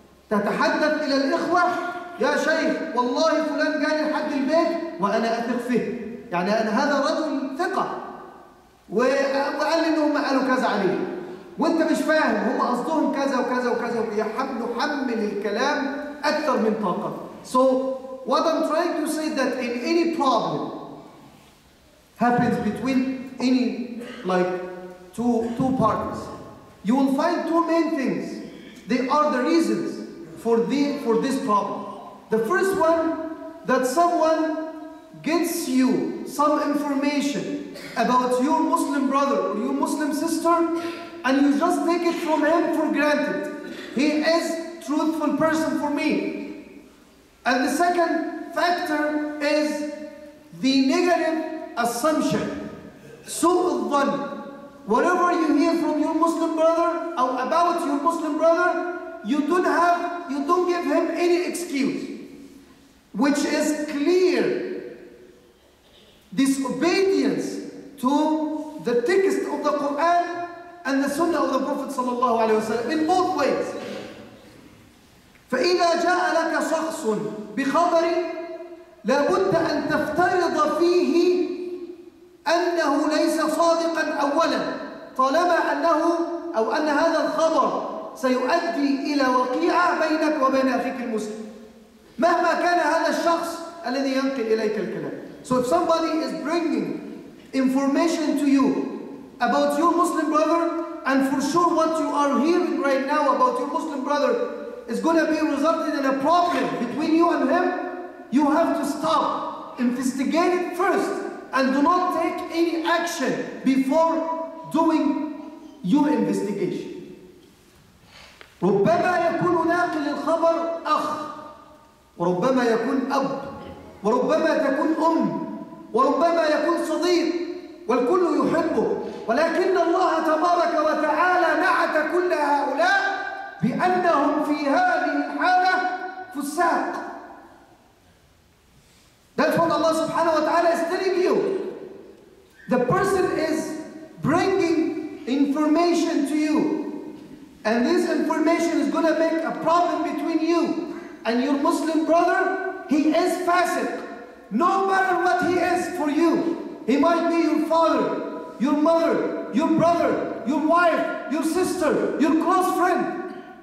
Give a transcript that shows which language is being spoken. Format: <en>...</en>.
<ar>تتحدث إلى الإخوة، يا شيخ والله فلان جاني لحد البيت وأنا أثق فيه، يعني أن هذا رجل ثقة وقال لي إنهم قالوا كذا عليه، وأنت مش فاهم هم قصدهم كذا وكذا وكذا، ويحمل الكلام أكثر من طاقة.</ar> <en>So what I'm trying to say that in any problem happens between any like two parties, you will find two main things. They are the reasons for this problem. The first one, that someone gets you some information about your Muslim brother or your Muslim sister, and you just take it from him for granted. He is a truthful person for me. And the second factor is the negative assumption.</en> <ar>سوء الظن.</ar> <en>Whatever you hear from your Muslim brother or about your Muslim brother, you don't give him any excuse, which is clear disobedience to the text of the Quran and the Sunnah of the Prophet</en> <ar>صلى الله عليه وسلم</ar> <en>in both ways.</en> <ar>فإذا جاء لك شخص بخبر لابد أن تفترض فيه أنه ليس صادقا أولا، طالما أنه أو أن هذا الخبر سيؤدي إلى وقيعة بينك وبين أخيك المسلم، مهما كان هذا الشخص الذي ينقل إليك الكلام.</ar> <en>So if somebody is bringing information to you about your Muslim brother, and for sure what you are hearing right now about your Muslim brother is going to be resulting in a problem between you and him, you have to stop, investigate it first, and do not take any action before doing your investigation.</en> <ar>ربما يكون ناقل الخبر أخ، وربما يكون أب، وربما تكون أم، وربما يكون صديق، والكل يحبه، ولكن الله تبارك وتعالى نعت كل هؤلاء بأنهم في هذه الحالة فساق.</ar> <en>That's what Allah</en> <ar>سبحانه وتعالى</ar> <en>is telling you. The person is bringing information to you, and this information is going to make a problem between you and your Muslim brother. He is fasiq. No matter what he is for you, he might be your father, your mother, your brother, your wife, your sister, your close friend.</en>